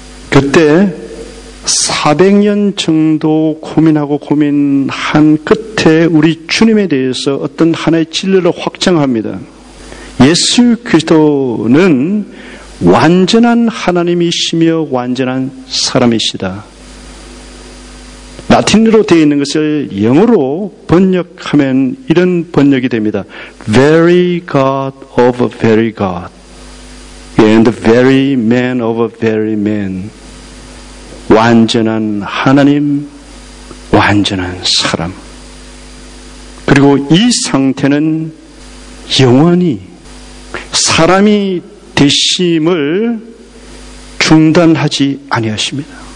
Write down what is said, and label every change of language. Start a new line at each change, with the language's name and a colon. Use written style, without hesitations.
Korean: 그때 400년 정도 고민하고 고민한 끝에 우리 주님에 대해서 어떤 하나의 진리를 확정합니다. 예수 그리스도는 완전한 하나님이시며 완전한 사람이시다. 라틴으로 되어 있는 것을 영어로 번역하면 이런 번역이 됩니다.
English: Very God of a very God and the very man of a very man.
Korean: 완전한 하나님, 완전한 사람. 그리고 이 상태는 영원히 사람이 되심을 중단하지 아니하십니다.